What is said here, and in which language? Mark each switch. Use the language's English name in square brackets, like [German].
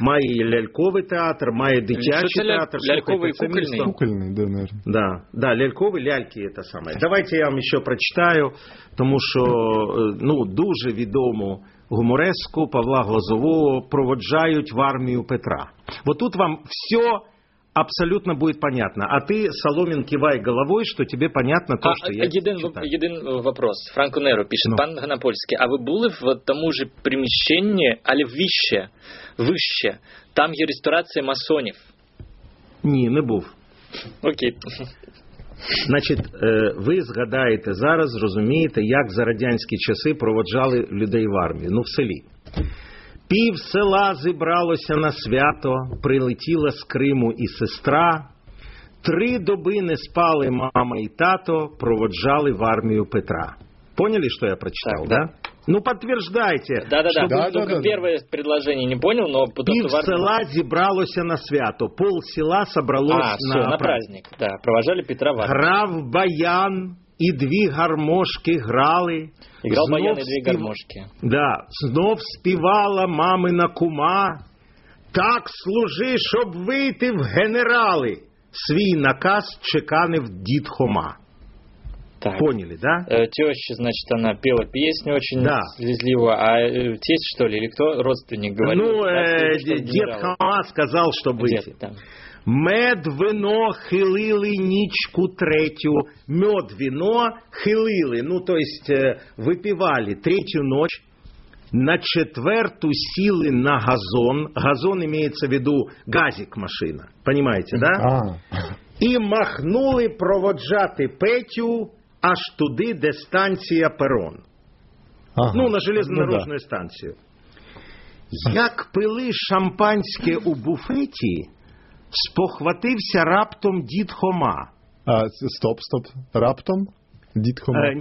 [Ukrainian] Має ляльковий театр, має дитячий театр. Ляльковий і кукольний? [Russian] Кукольний, да, наверное. [Ukrainian] Да, ляльковий, ляльки – це саме. Давайте я вам ще прочитаю, тому що ну, дуже відому гумореску Павла Глазового проводжають в армію Петра. Отут вам все [Russian] абсолютно будет понятно. А ты, Соломин, кивай головой, что тебе понятно то, что я читаю. Един вопрос. Франко Неро пишет. Ну. Пан Гонопольский, а вы были в том же помещении, але выше, там есть ресторация масонов? [Ukrainian] Ні, не був. Окей. Значить, ви згадаєте зараз, розумієте, як за радянські часи проводжали людей в армії, ну в селі. Пів села зібралося на свято, прилетіла з Криму і сестра, 3 доби не спали мама і тато, проводжали в армію Петра. Поняли, що я прочитав, так? [Russian] Да? Ну, подтверждайте. Да-да-да, только первое предложение не понял, но... [Ukrainian] Пив села зібралося на свято, [Russian] пол села собралось на... праздник, да, провожали Петра в армию. [Ukrainian] Грав баян, и 2 гармошки грали. [Russian] Играл баян и 2 гармошки. [Ukrainian] Да, знов співала мамина кума, так служи, щоб вийти в генерали, свій наказ чеканив дід Хома. Так. [Russian] Поняли, да? Теща, значит, она пела песню очень слезливо, да. А тесть, что ли, или кто, родственник, говорил? Ну, дед Хама сказал, что выйти. [Ukrainian] Мед, вино, хилили нічку третю. [Russian] Мед, вино, хилили, ну, то есть, выпивали третью ночь. [Ukrainian] На четверту сели на газон. [Russian] Газон имеется в виду газик-машина, понимаете, да? [Ukrainian] И махнули проводжати Петю... аж туди, де станція перон. Ага. Ну, на железнодорожну станцію. Як пили шампанське у буфеті, спохватився раптом дід Хома. Стоп. Раптом дід Хома?